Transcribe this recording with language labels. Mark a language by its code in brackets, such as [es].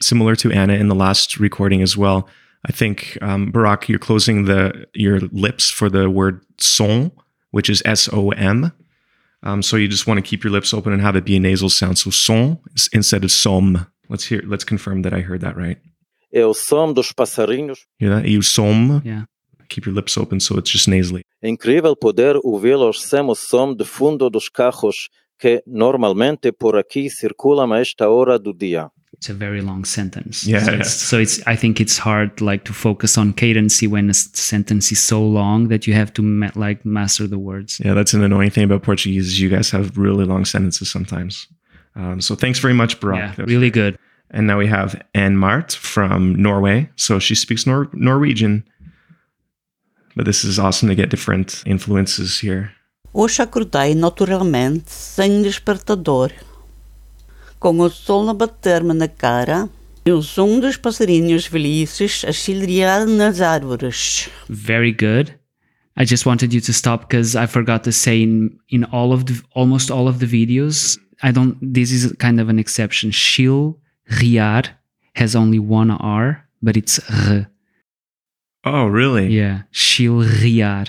[en] Similar to Anna in the last recording as well. I think, Barak, you're closing your lips for the word som, which is S-O-M. So you just want to keep your lips open and have it be a nasal sound. So som instead of som. Let's confirm that I heard that right. [pt] É o som dos passarinhos. [en] Hear that? E o som. Yeah. Keep your lips open so it's just nasally. [pt] É incrível poder ouvi-los sem o som de fundo dos carros que normalmente por aqui circulam a esta hora do dia. [en] It's a very long sentence. Yeah. I think it's hard like to focus on cadency when a sentence is so long that you have to master the words. Yeah, that's an annoying thing about Portuguese is you guys have really long sentences sometimes. So thanks very much, Barak. Yeah, really good. And now we have Anne Mart from Norway. So she speaks Norwegian. But this is awesome to get different influences here. [pt] Hoje acordei naturalmente sem despertador. Com o sol a bater-me na cara e o som dos passarinhos felizes a chilrear nas árvores. [en] Very good. I just wanted you to stop because I forgot to say in almost all of the videos, this is kind of an exception. Chilrear has only one R, but it's R. Oh, really? Yeah. Chilrear.